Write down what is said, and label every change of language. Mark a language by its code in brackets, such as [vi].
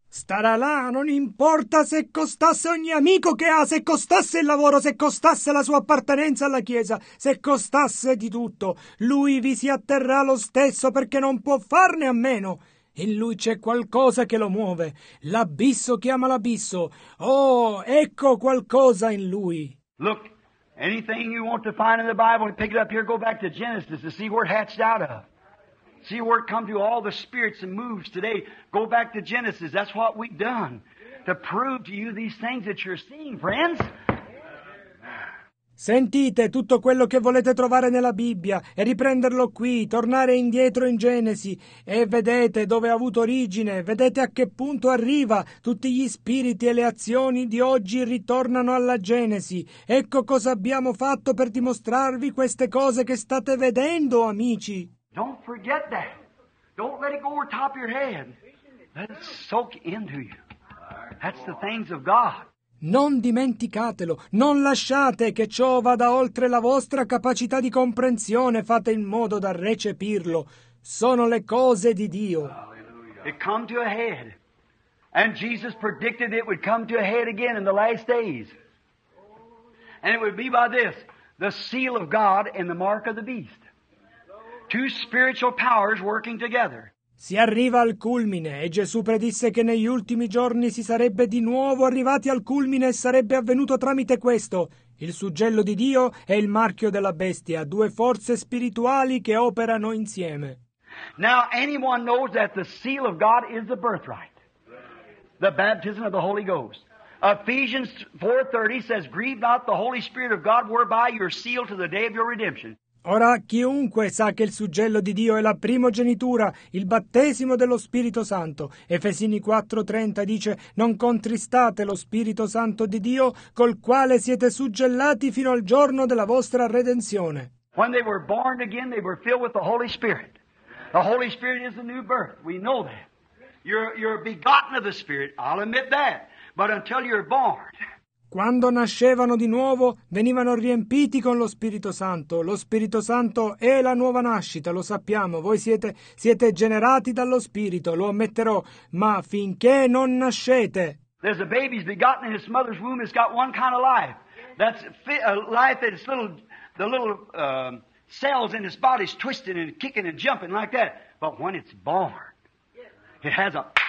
[it] Starà là, non importa se costasse ogni amico che ha, se costasse il lavoro, se costasse la sua appartenenza alla chiesa, se costasse di tutto, lui vi si atterrà lo stesso perché non può farne a meno. In lui c'è qualcosa che lo muove, l'abisso chiama l'abisso. Oh, ecco qualcosa in lui. [en] Look. Anything you want to find in the Bible, pick it up here, go back to Genesis to see where it hatched out of. See where it come to all the spirits and moves today. Go back to Genesis. That's what we've done to prove to you these things that you're seeing, friends. [it] Sentite tutto quello che volete trovare nella Bibbia e riprenderlo qui, tornare indietro in Genesi e vedete dove ha avuto origine, vedete a che punto arriva, tutti gli spiriti e le azioni di oggi ritornano alla Genesi. Ecco cosa abbiamo fatto per dimostrarvi queste cose che state vedendo, amici. [en] Don't forget that. Don't let it go over top of your head. Let it soak into you. That's the things of God. [it] Non dimenticatelo, non lasciate che ciò vada oltre la vostra capacità di comprensione, fate in modo da recepirlo. Sono le cose di Dio. [en] It come to a head. And Jesus predicted it would come to a head again in the last days. And it would be by this, the seal of God and the mark of the beast. Two spiritual powers working together. [it] Si arriva al culmine e Gesù predisse che negli ultimi giorni si sarebbe di nuovo arrivati al culmine e sarebbe avvenuto tramite questo. Il suggello di Dio e il marchio della bestia, due forze spirituali che operano insieme. [en] Now anyone knows that the seal of God is the birthright, the baptism of the Holy Ghost. Ephesians 4:30 says, "Grieve not the Holy Spirit of God, whereby you are sealed to the day of your redemption." [it] Ora, chiunque sa che il suggello di Dio è la primogenitura, il battesimo dello Spirito Santo. Efesini 4:30 dice, non contristate lo Spirito Santo di Dio, col quale siete suggellati fino al giorno della vostra redenzione. [en] When they were born again, they were filled with the Holy Spirit. The Holy Spirit is the new birth. We know that. You're begotten of the Spirit. I'll admit that. But until you're born... [it] Quando nascevano di nuovo, venivano riempiti con lo Spirito Santo. Lo Spirito Santo è la nuova nascita, lo sappiamo. Voi siete generati dallo Spirito, lo ammetterò. Ma finché non nascete... [en] There's a baby's begotten in his mother's womb, it's got one kind of life. That's a life that's little, the little cells in his body's twisting and kicking and jumping like that. But when it's born, it has a...